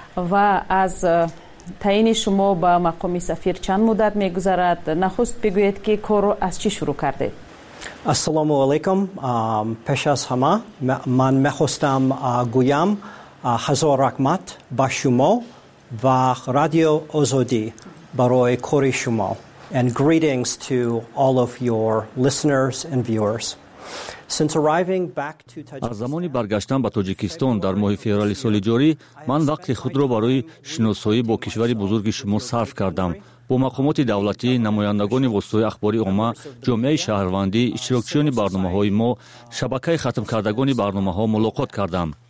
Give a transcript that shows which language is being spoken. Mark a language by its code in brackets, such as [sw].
[fa] و از تعیین شما به مقام سفیر چند مدت میگذرد؟ نخست بگویید که کار رو از چی شروع کردید؟ السلام علیکم. پیش از همه من میخواستم گویم هزار رحمت با شما و رادیو آزادی برای کاری شما. [en] And greetings to all of your listeners and viewers. Since arriving back to Tajikistan, [fa] از زمانی برگشتم به تاجیکستان در ماه فوریه سال جاری، من وقت خود را برای شناسایی با کشور بزرگ شما صرف کردم. با مقامات دولتی، نمایندگان واسطه اخباری عامه، جامعه شهروندی، اشتراکچیان برنامه‌های ما، شبکه ختم کردگان برنامه‌ها ملاقات کردم.